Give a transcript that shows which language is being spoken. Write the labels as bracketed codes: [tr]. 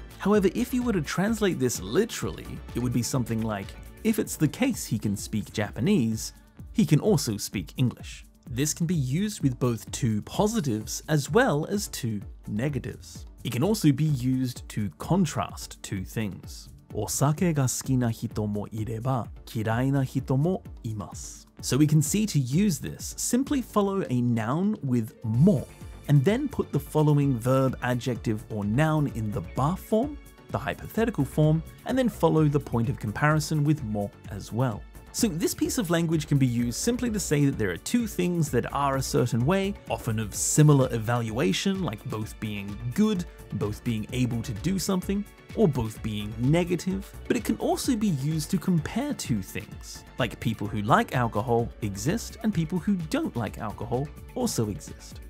[en] However, if you were to translate this literally, it would be something like, if it's the case he can speak Japanese, he can also speak English. This can be used with both two positives as well as two negatives. It can also be used to contrast two things. [ja] お酒が好きな人もいれば嫌いな人もいます。 [en] So we can see to use this, simply follow a noun with も, and then put the following verb, adjective, or noun in the ba form, the hypothetical form, and then follow the point of comparison with も as well. So this piece of language can be used simply to say that there are two things that are a certain way, often of similar evaluation, like both being good, both being able to do something,or both being negative, but it can also be used to compare two things, like people who like alcohol exist and people who don't like alcohol also exist.